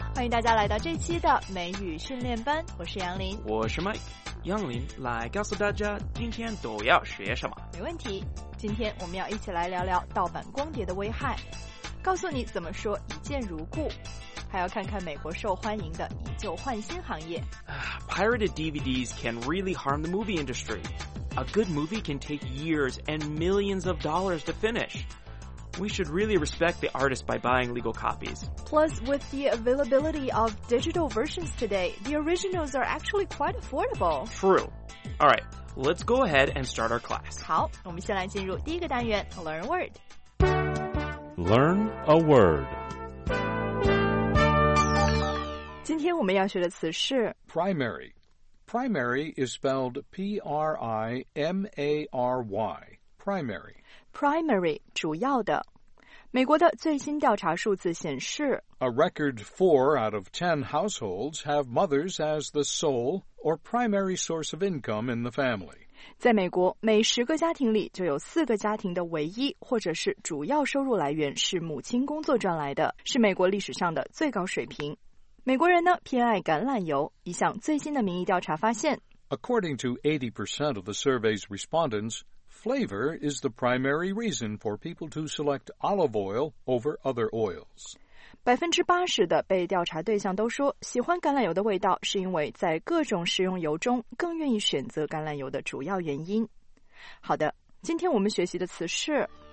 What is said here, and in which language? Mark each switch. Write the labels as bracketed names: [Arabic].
[Chinese] 大家来到这期的美语训练班，我是杨林，我是 Mike。杨林，来告诉大家今天都要学什么。没问题，今天我们要一起来聊聊盗版光碟的危害，告诉你怎么说一见如故，还要看看美国受欢迎的以旧换新行业。 [English] Pirated DVDs can really harm the movie industry. A good movie can take years and millions of dollars to finish. We should really respect the artist by buying legal copies. Plus, with the availability of digital versions today, the originals are actually quite affordable. True. All right, let's go ahead and start our class. [Chinese] 好，我们先来进入第一个单元 [English] Learn a Word. Learn a Word. [Chinese] 今天我们要学的词是 [English] primary. Primary is spelled P-R-I-M-A-R-Y. Primary. [Chinese] Primary, 主要的。美国的最新调查数字显示 [English] A record 4 out of 10 households have mothers as the sole or primary source of income in the family. [Chinese] 在美国，每十个家庭里就有四个家庭的唯一或者是主要收入来源是母亲工作赚来的，是美国历史上的最高水平。美国人呢偏爱橄榄油，一项最新的民意调查发现 [English] According to 80% of the survey's respondents, flavor is the primary reason for people to select olive oil over other oils. [Chinese] 80%的被调查对象都说喜欢橄榄油的味道是因为在各种食用油中更愿意选择橄榄油的主要原因。好的，今天我们学习的词是